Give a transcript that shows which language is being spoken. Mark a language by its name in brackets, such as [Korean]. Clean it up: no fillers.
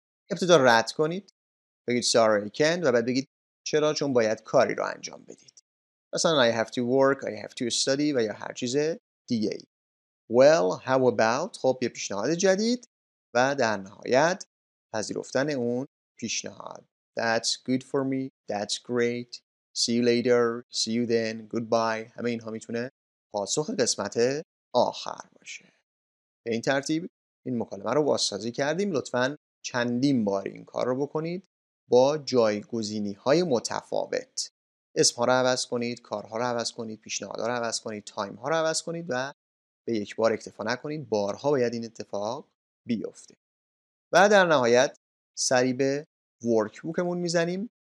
[Persian] ابتدا رد کنید، بگید [English] sorry I can't، [Persian] و بعد بگید چرا، چون باید کاری رو انجام بدید، مثلا [English] I have to work، I have to study، [Persian] و یا هر چیز دیگه. [English] Well how about، [Persian] خب یه پیشنهاد جدید، و در نهایت پذیرفتن اون پیشنهاد. [English] That's good for me، that's great، see you later، see you then، goodbye، [Persian] همه اینها میتونه پاسخ قسمت آخر باشه. به این ترتیب این مکالمه رو بازسازی کردیم. لطفاً چندین بار این کار رو بکنید با جایگزینی های متفاوت. اسمها رو عوض کنید، کارها رو عوض کنید، پیشنهادها رو عوض کنید، تایم ها رو عوض کنید و به یک بار اکتفا نکنید. بارها باید این اتفاق بیفته. و در نهایت سری به ورکبوکمون میزنیم.